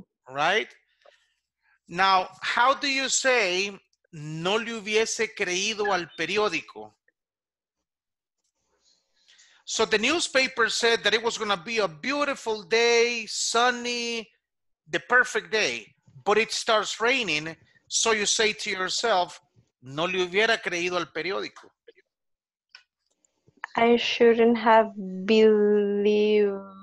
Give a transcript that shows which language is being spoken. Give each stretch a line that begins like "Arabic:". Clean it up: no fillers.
English: Right? Now, how do you say,
Spanish: no le hubiese creído al periódico?
English: So the newspaper said that it was going to be a beautiful day, sunny, the perfect day, but it starts raining. So you say to yourself,
Spanish: no le hubiera creído al periódico.
English: I shouldn't have believed